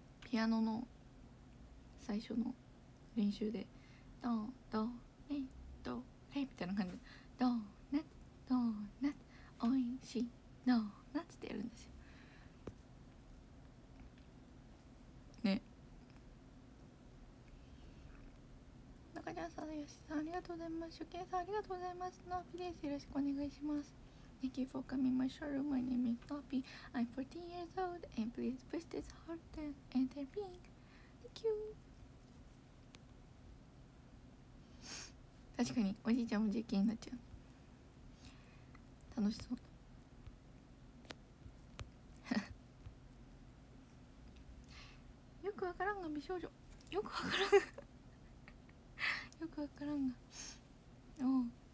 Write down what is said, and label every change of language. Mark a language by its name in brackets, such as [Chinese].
[Japanese] ピアノの最初の練習でドドレドレみたいな感じでドーナツドーナツおいしいドーナツってやるんですよね。中ちゃんさん、よしさん、ありがとうございます。初見さん、ありがとうございます。ナピです、よろしくお願いします。 [English] Thank you for coming my showroom. My name is Poppy. I'm 14 years old and please push this heart and enter pink. Thank you. [Japanese] 確かにおじいちゃんも JK になっちゃう。楽しそう。よくわからんが美少女。よくわからんが。よくわからんが。おう。